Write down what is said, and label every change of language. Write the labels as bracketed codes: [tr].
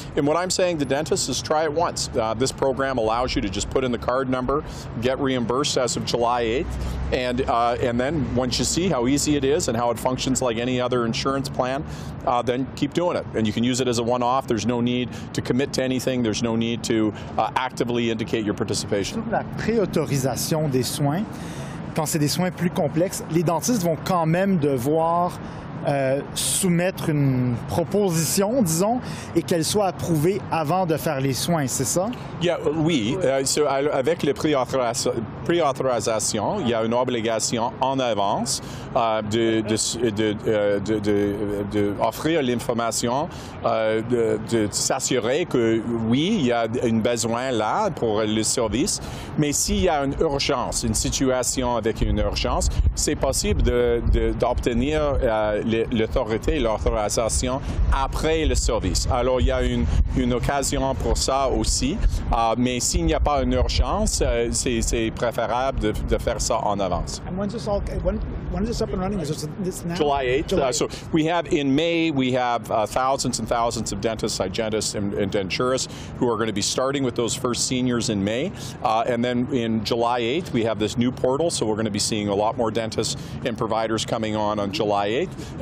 [en] And what I'm saying to dentists is try it once. This program allows you to just put in the card number, get reimbursed as of July 8th, and then once you see how easy it is and how it functions like any other insurance plan, then keep doing it. And you can use it as a one-off. There's no need to commit to anything. There's no need to actively indicate your participation. [fr] Pré-autorisation des soins, quand c'est des soins plus complexes, les dentistes vont quand même devoir soumettre une proposition, disons, et qu'elle soit approuvée avant de faire les soins, c'est ça? [en] Yeah, oui. [fr] Avec les préauthorisations, il y a une obligation en avance d'offrir l'information, de s'assurer que, oui, il y a un besoin là pour le service. Mais s'il y a une urgence, une situation avec une urgence, c'est possible d'obtenir l'autorité, l'authorisation après le service. Alors, il y a une occasion pour ça aussi, mais s'il n'y a pas une urgence, c'est préférable de faire ça en avance. [en] When is this up and running? Is this now? July 8th. So we have in May, we have thousands and thousands of dentists, hygienists, and denturists who are going to be starting with those first seniors in May. And then in July 8th, we have this new portal. So we're going to be seeing a lot more dentists and providers coming on July 8th.